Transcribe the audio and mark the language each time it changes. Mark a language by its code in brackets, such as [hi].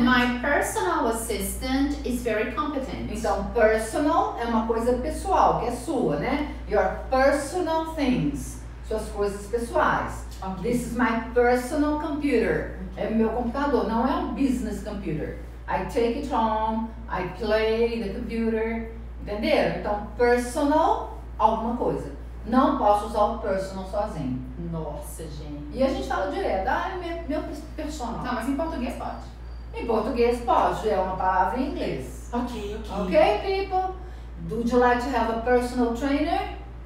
[en] My personal assistant is very competent. [pt] Então, personal é uma coisa pessoal, que é sua, né? [en] Your personal things, [pt] suas coisas pessoais. [en] Okay. This is my personal computer. Okay. [pt] É meu computador, não é um [en] business computer. I take it home, I play the computer. [pt] Entendeu? Então, personal, alguma coisa. Não posso usar o personal sozinho. Nossa, gente. E a gente fala direto, ah, meu personal. Tá, mas em português pode. Em português pode, é uma palavra em inglês. Ok, ok. [en] Ok, people? Would you like to have a personal trainer?